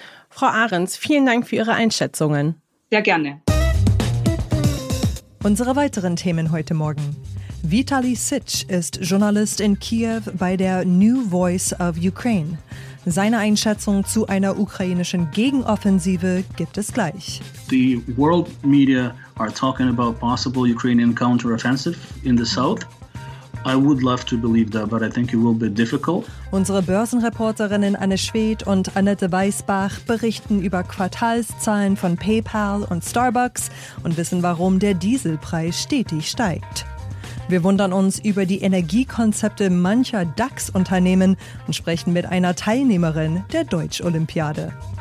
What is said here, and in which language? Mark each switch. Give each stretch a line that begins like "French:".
German: Frau Ahrens, vielen Dank für Ihre Einschätzungen. Sehr gerne. Unsere weiteren Themen heute Morgen. Vitaly Sitsch ist Journalist in Kiew bei der New Voice of Ukraine. Seine Einschätzung zu einer ukrainischen Gegenoffensive gibt es gleich.
English: The world media are talking about possible Ukrainian counteroffensive in the south. I would love to believe that, but I think it will be difficult.
German: Unsere Börsenreporterinnen Anne Schwedt und Annette Weisbach berichten über Quartalszahlen von PayPal und Starbucks und wissen, warum der Dieselpreis stetig steigt. Wir wundern uns über die Energiekonzepte mancher DAX-Unternehmen und sprechen mit einer Teilnehmerin der Deutsch-Olympiade.